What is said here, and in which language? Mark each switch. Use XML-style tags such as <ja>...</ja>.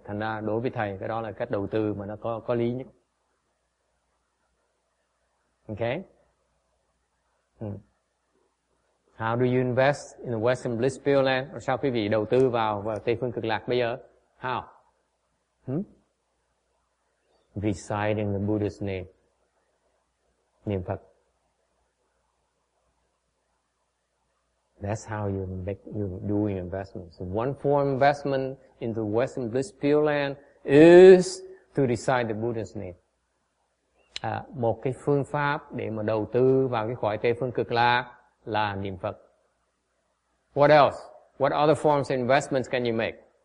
<vi>Thành ra đối với thầy, cái đó là cách đầu tư mà nó có lý nhất. Okay?</vi> <en>How do you invest in the Western Bliss Pure Land?</en> <vi>Or sao quý vị đầu tư vào Tây Phương Cực Lạc bây giờ?</vi> <en>How? Reciting the Buddha's name. Niệm Phật. That's how you're doing investments. So one form investment in the Western Bliss Pure Land is to recite the Buddha's name.</en> <vi>Một cái phương pháp để mà đầu tư vào cái cõi Tây Phương Cực Lạc là niệm Phật.</vi> <en>What else? What other forms of investments can you make?</en>